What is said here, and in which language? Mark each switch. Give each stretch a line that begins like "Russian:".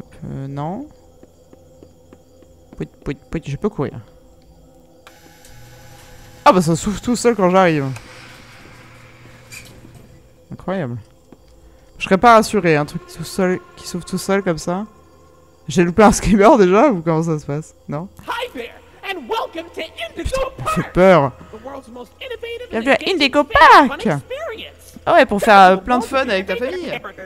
French: Non. Pouit, pouit, pouit, je peux courir. Ah bah ça s'ouvre tout seul quand j'arrive. Incroyable. Je serais pas rassuré, un truc tout seul qui s'ouvre tout seul comme ça. J'ai loupé un screamer déjà ou comment ça se passe? Non?
English: Hi there, and welcome to Indigo
French: Putain,
English: Park.
French: J'ai peur. Bienvenue à Indigo Park. Ah ouais, pour faire plein de fun avec ta famille.